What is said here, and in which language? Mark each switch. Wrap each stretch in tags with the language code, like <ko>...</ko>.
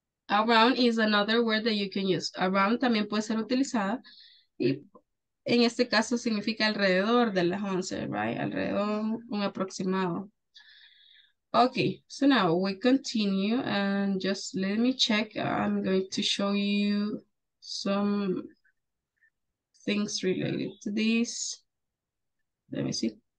<en>Around is another word that you can use.</en> <es>Around también puede ser utilizada. Y en este caso significa alrededor de las 11, right? Alrededor, un aproximado.</es> <en>Okay, so now we continue and just let me check. I'm going to show you some things related to this. Let me see.</en>